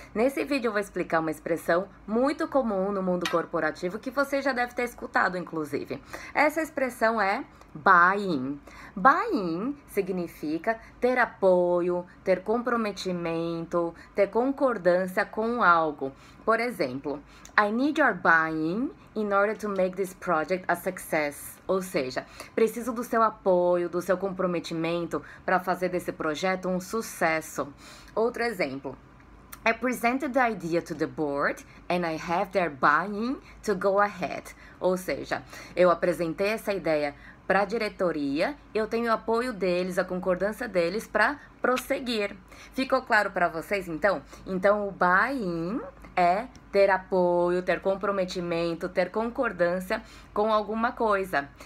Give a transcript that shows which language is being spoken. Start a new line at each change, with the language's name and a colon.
Portuguese: Nesse vídeo eu vou explicar uma expressão muito comum no mundo corporativo que você já deve ter escutado, inclusive. Essa expressão é buy-in. Buy-in significa ter apoio, ter comprometimento, ter concordância com algo. Por exemplo,
English: I need your buy-in in order to make this project a success.
Portuguese: Ou seja, preciso do seu apoio, do seu comprometimento para fazer desse projeto um sucesso. Outro exemplo.
English: I presented the idea to the board and I have their buy-in to go ahead.
Portuguese: Ou seja, eu apresentei essa ideia para a diretoria, eu tenho o apoio deles, a concordância deles para prosseguir. Ficou claro para vocês, então? Então, o buy-in é ter apoio, ter comprometimento, ter concordância com alguma coisa.